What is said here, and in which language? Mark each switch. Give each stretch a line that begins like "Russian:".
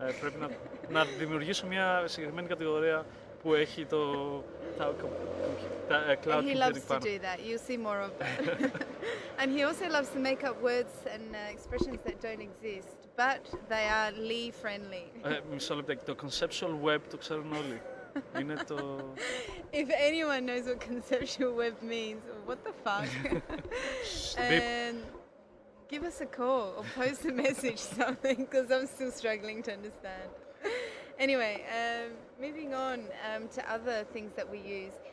Greek: Πρέπει να δημιουργήσω μια συγκεκριμένη κατηγορία που έχει τα cloud computing πάνω.
English: He loves to do that. You'll see more of that. And he also loves to make up words and expressions that don't exist, but they are Lee friendly.
Greek: Μισό λεπτό, το conceptual web το ξέρουν όλοι. Είναι το.
English: If anyone knows what conceptual web means, what the fuck? Give us a call or post a message something, because I'm still struggling to understand. Anyway, moving on to other things that we use.